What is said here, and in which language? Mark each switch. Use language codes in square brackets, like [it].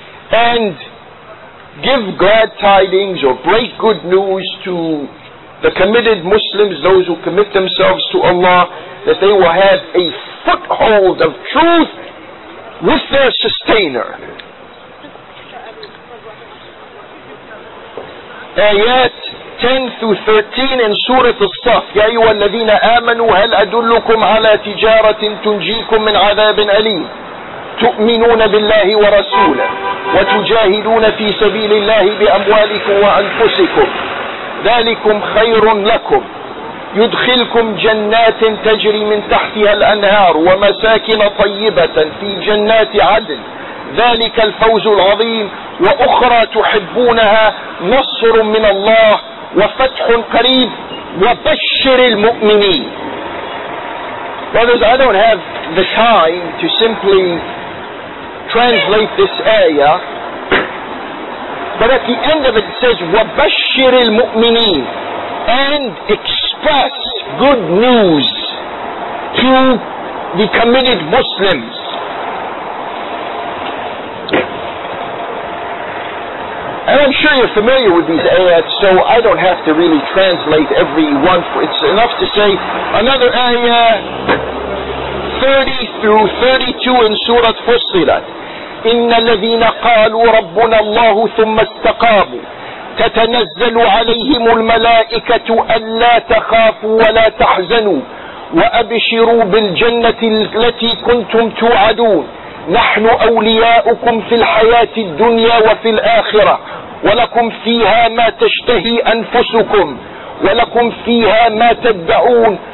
[en] And give glad tidings or break good news to the committed Muslims, those who commit themselves to Allah, that they will have a foothold of truth with their sustainer. Ayat 10 through 13 in Surah As-Saff. [ar] يَا أَيُّهَا الَّذِينَ آمَنُوا هَلْ أَدُلُّكُمْ عَلَى تِجَارَةٍ تُنْجِيكُمْ مِنْ عَذَابٍ أَلِيمٍ تُؤْمِنُونَ بِاللَّهِ وَرَسُولِهِ وَتُجَاهِدُونَ فِي سَبِيلِ اللَّهِ بِأَمْوَالِكُمْ وَأَنفُسِكُمْ ذَلِكُمْ خَيْرٌ لَكُمْ يدخلكم جنات تجري من تحتها الأنهار ومساكن طيبة في جنات عدن ذلك الفوز العظيم وأخرى تحبونها نصر من الله وفتح قريب وبشر المؤمنين. [en] Brothers, I don't have the time to simply translate this ayah, but at the end of it says [ar] وبشر المؤمنين, [en] and express good news to the committed Muslims. And I'm sure you're familiar with these ayats, so I don't have to really translate every one. It's enough to say another ayah 30 through 32 in Surah Fussilat. [ar] إِنَّ الَّذِينَ قَالُوا رَبُّنَا اللَّهُ ثُمَّ اسْتَقَامُوا تتنزل عليهم الملائكة ألا تخافوا ولا تحزنوا وأبشروا بالجنة التي كنتم توعدون نحن أولياؤكم في الحياة الدنيا وفي الآخرة ولكم فيها ما تشتهي أنفسكم ولكم فيها ما تدعون